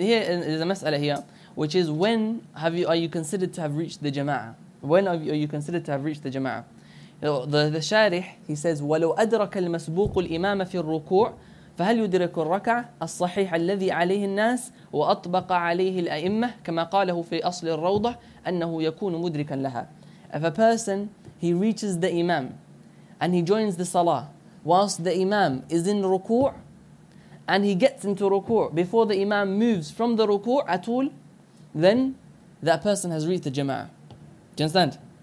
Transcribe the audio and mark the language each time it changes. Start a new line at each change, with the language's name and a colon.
English: Here is a masala here, which is when are you considered to have reached the jama'a? When are you considered to have reached the jama'a? The sharih, he says,
Arabic: ولو أدرك المسبوق الإمام في الركوع فهل يدرك الركع الصحيح الذي عليه الناس وأطبق عليه الأئمة كما قاله في أصل الروضة أنه يكون مدركا لها.
English: If a person, he reaches the imam and he joins the salah whilst the imam is in ruku' and he gets into ruku' before the imam moves from the ruku' at all, then that person has reached the jama'ah. Do you understand?